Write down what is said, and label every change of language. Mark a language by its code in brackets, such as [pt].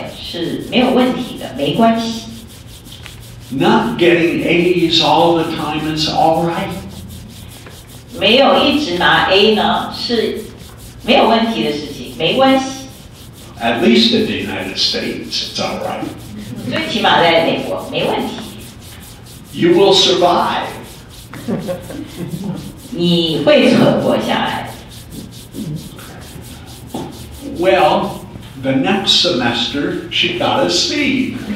[zh] 所以呢，从我的角度来看呢，我要跟她沟通一件事情是说，在某一件事情上呢，失败是没有问题的，没关系。 [en] Not getting A's all the time is all right. [zh] 没有一直拿A呢，是没有问题的事情，没关系。 [en] At least in the United States, it's all right. [zh] 最起码在美国，没问题。 [en] You will survive. [zh] 你会存活下来。 [en] Well, the next semester, she got a C.